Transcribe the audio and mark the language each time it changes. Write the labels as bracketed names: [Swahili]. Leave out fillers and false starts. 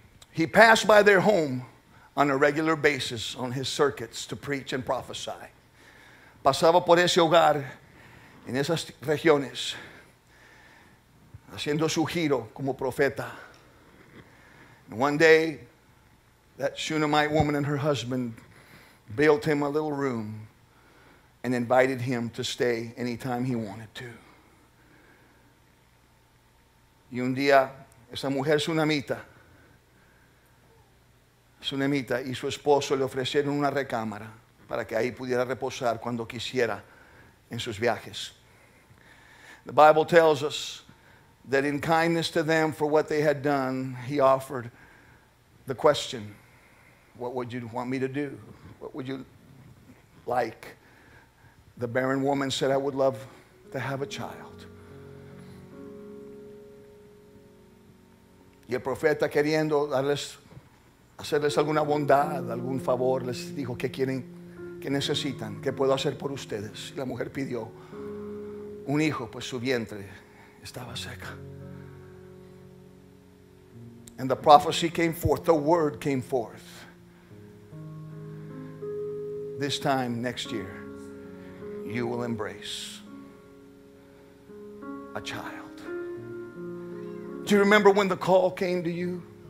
[English] He passed by their home on a regular basis on his circuits to preach and prophesy. [Spanish] Pasaba por ese hogar en esas regiones, haciendo su giro como profeta. [English] And one day, that Shunammite woman and her husband built him a little room and invited him to stay anytime he wanted to. [Spanish] Y un día, esa mujer Shunamita y su esposo le ofrecieron una recámara para que ahí pudiera reposar cuando quisiera en sus viajes. [English] The Bible tells us that in kindness to them for what they had done, he offered the question, "What would you want me to do? What would you like?" The barren woman said, "I would love to have a child." [Spanish] Y el profeta, queriendo darles, hacerles alguna bondad, algún favor, les dijo, "¿Qué quieren? ¿Qué necesitan? ¿Qué puedo hacer por ustedes?" Y la mujer pidió un hijo, pues su vientre estaba seca. [English] And the prophecy came forth, the word came forth. This time next year, you will embrace a child. Do you remember when the call came to you?